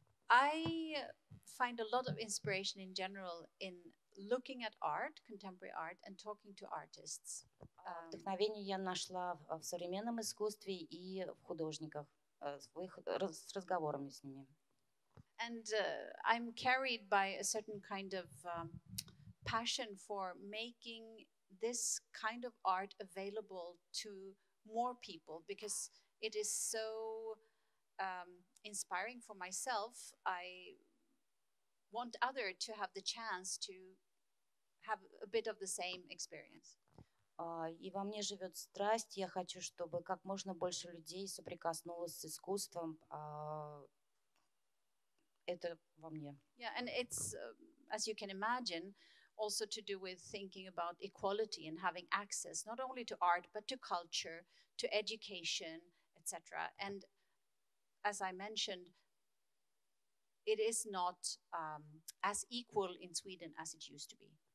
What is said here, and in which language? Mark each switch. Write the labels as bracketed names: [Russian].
[English] I find a lot of inspiration in general in looking at art, contemporary art, and talking to artists. [Russian] Вдохновение я нашла в современном искусстве и в художниках, с разговорами с ними. [English] And I'm carried by a certain kind of passion for making this kind of art available to more people because it is so inspiring for myself. I want others to have the chance to have a bit of the same experience. [Russian] И во мне живет страсть. Я хочу, чтобы как можно больше людей соприкоснулось с искусством. Это во мне. [English] Yeah, and it's, as you can imagine, also to do with thinking about equality and having access not only to art but to culture, to education, etc. And as I mentioned, it is not as equal in Sweden as it used to be.